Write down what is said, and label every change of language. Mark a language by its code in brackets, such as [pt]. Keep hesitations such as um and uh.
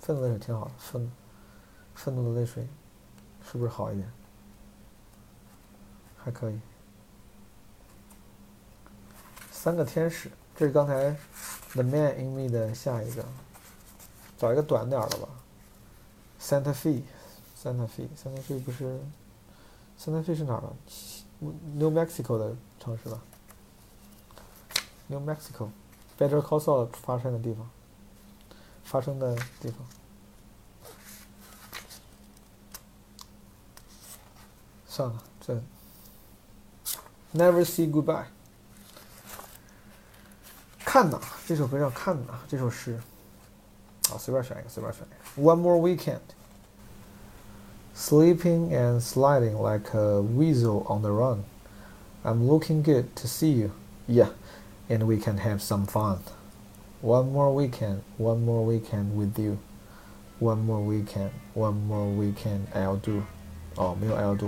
[zh] 愤怒的泪水挺好的，愤愤怒的泪水，是不是好一点？还可以。三个天使。这是刚才《The Man in Me》的下一个，找一个短点的吧。 Santa Fe，Santa Fe，Santa Fe 不是 Santa Fe 是哪儿的？New Mexico 的城市吧？New Mexico，Better Call Saul 发生的地方，发生的地方。算了，这 Never s a y Goodbye。看呐，这首歌叫《看呐》，这首诗，啊，随便选一个，随便选一个。 [en] One more weekend, sleeping and sliding like a weasel on the run. I'm looking good to see you, yeah, and we can have some fun. One more weekend, one more weekend with you. One more weekend, one more weekend I'll do. Oh, no, I'll do.